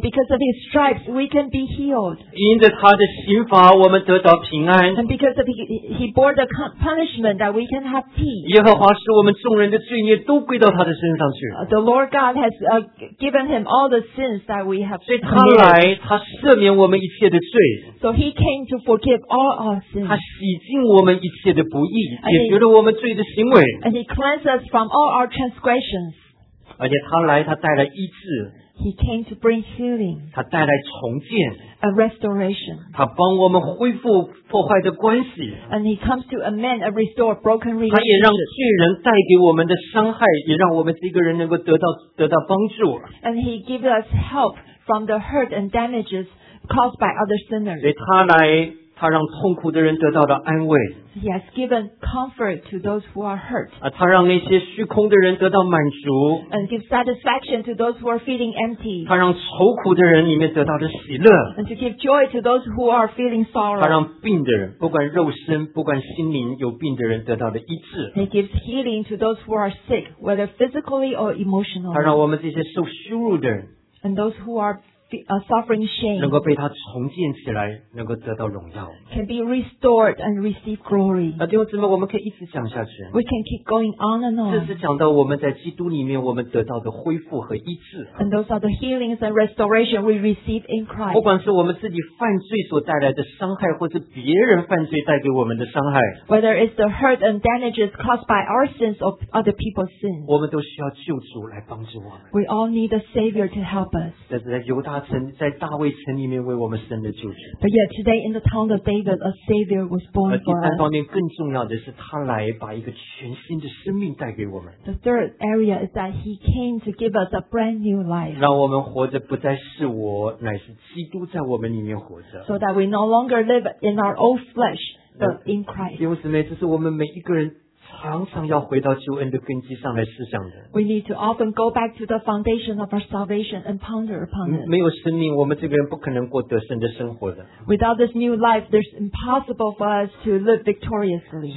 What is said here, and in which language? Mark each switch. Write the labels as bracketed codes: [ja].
[en] because of His stripes, we can be healed. [zh] 因着他的刑罚, [en] and because of He bore the punishment that we can have peace. [zh] 耶和华使我们众人的罪孽都归到他的身上去。 [en] The Lord God has given Him all the sins that we have committed. [zh] 所以他来，他赦免我们一切的罪。 [en] So He came to forgive all our sins. [zh] 他洗净我们一切的不义, 解决了我们罪的行为, [en] and He cleansed us from all our transgressions. [zh] 而且他来, 他带来医治, [en] He came to bring healing. [zh] 他带来重建, [en] and restoration. [zh] 他帮我们恢复破坏的关系, [en] and He comes to amend and restore broken relationships. [zh] 他也让罪人带给我们的伤害, 也让我们这个人能够得到帮助, [en] and He gives us help from the hurt and damages caused by other sinners. [zh] 所以他来, 他让痛苦的人得到了安慰, [en] He has given comfort to those who are hurt. [zh] 啊, 他让那些虚空的人得到满足, [en] and give satisfaction to those who are feeling empty. [zh] 他让愁苦的人里面得到了喜乐, [en] and to give joy to those who are feeling sorrow. [zh] 他让病的人, 不管肉身, 不管心灵, 有病的人得到了医治, [en] and He gives healing to those who are sick, whether physically or emotionally. [zh] 他让我们这些受羞辱的人, [en] and those who are suffering shame, [zh] 能够被他重建起来, 能够得到荣耀, [en] can be restored and receive glory. [zh] 弟兄姊妹, 我们可以一直讲下去, [en] we can keep going on and on. [zh] 这是讲到我们在基督里面, 我们得到的恢复和医治, [en] and those are the healings and restoration we receive in Christ. [zh] 不管是我们自己犯罪所带来的伤害, 或是别人犯罪带给我们的伤害, [en] whether it's the hurt and damages caused by our sins or other people's sins, [zh] 我们都需要救主来帮助我们, [en] we all need a Savior to help us. [zh] 在大卫城里面为我们生的救主, [en] but yet today in the town of David a Savior was born for us. [zh] 而第三方面更重要的是, 祂来把一个全新的生命带给我们。 [en] The third area is that He came to give us a brand new life, [zh] 让我们活着不再是我, 乃是基督在我们里面活着, [en] so that we no longer live in our old flesh but in Christ. [zh] 弟兄姊妹, 这是我们每一个人 常常要回到救恩的根基上来思想的。 [en] We need to often go back to the foundation of our salvation and ponder upon it. [zh] 没有生命, 我们这个人不可能过得胜的生活的。 [en] Without this new life, there's impossible for us to live victoriously.